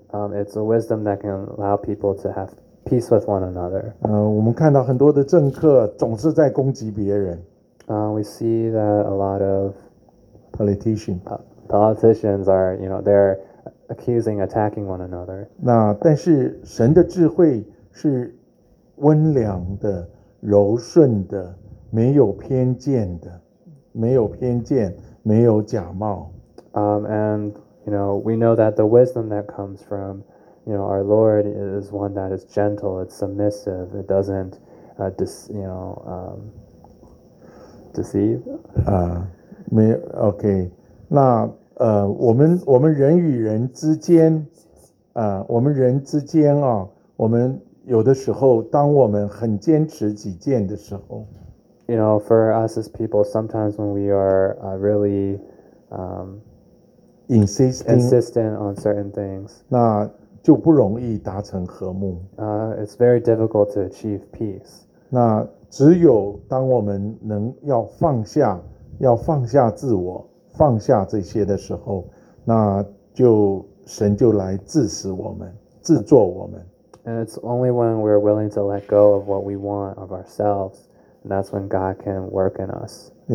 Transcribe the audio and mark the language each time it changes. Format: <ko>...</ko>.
<en>It's a wisdom that can allow people to have peace with one another.</en> <zh>我们看到很多的政客总是在攻击别人。</zh> <en>We see that a lot of politicians. Politicians are, you know, they're accusing, attacking one another.</en> <zh>那但是神的智慧是温良的、柔顺的、没有偏见的、没有偏见、没有假冒。</zh> <en>And you know, we know that the wisdom that comes from, you know, our Lord is one that is gentle, it's submissive, it doesn't, deceive. Okay.</en> <zh>那我们人与人之间我们人之间我们有的时候当我们很坚持己见的时候</zh> <en>You know, for us as people, sometimes when we are really insistent on certain things</en> <zh>那就不容易达成和睦</zh> <en>It's very difficult to achieve peace</en> <zh>那只有当我们能要放下自我放下这些的时候，那就神就来制止我们，制作我们。</zh> <en>And it's only when we're willing to let go of what we want of ourselves, and that's when God can work in us.</en>